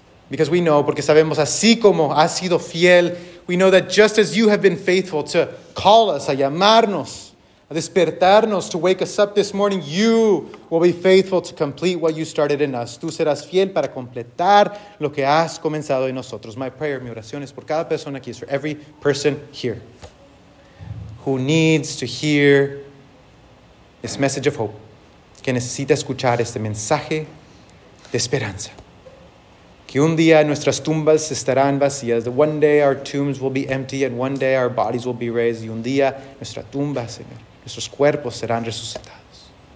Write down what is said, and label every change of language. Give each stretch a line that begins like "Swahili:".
English: Because we know,
Spanish: porque sabemos, así como has sido fiel,
English: we know that just as you have been faithful to call us,
Spanish: a llamarnos, a despertarnos,
English: to wake us up this morning, you will be faithful to complete what you started in us.
Spanish: Tú serás fiel para completar lo que has comenzado en nosotros.
English: My prayer,
Spanish: mi oración es por cada persona aquí, es
English: for every person here who needs to hear this message of hope,
Spanish: que necesita escuchar este mensaje de esperanza. Que un día nuestras tumbas estarán vacías.
English: That one day our tombs will be empty and one day our bodies will be raised.
Spanish: Y un día nuestra tumba, Señor, nuestros cuerpos serán resucitados.